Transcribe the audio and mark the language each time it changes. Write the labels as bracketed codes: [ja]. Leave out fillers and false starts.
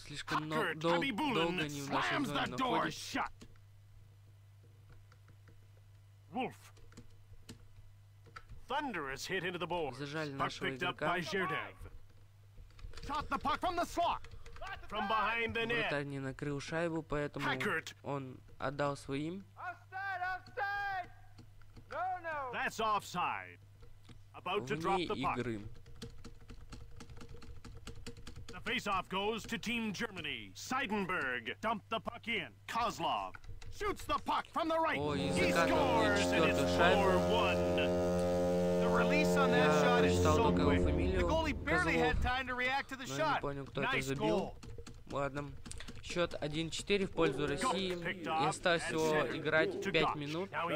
[ru] Слишком долго не в нашей зоне находится. [en] Wolf. Thunder is hit into the boards. [ru] Зажали нашего игрока. [en] Shot the puck from the slot. From behind the net. [ru] Вратарь не накрыл шайбу, поэтому Hackert. Он отдал своим. [en] Offside, offside. No, no. That's offside. About [ru] вне [en] to drop the [ru] игры. [en] The face-off goes to Team Germany. Seidenberg dumped the puck in. Kozlov shoots the puck from the right. Ой, he scores and it's 4-1. [ru] Я прочитал только его фамилию, Козлов, но не понял, кто это забил. Ладно. Счет 1-4 в пользу России. И осталось всего играть 5 минут.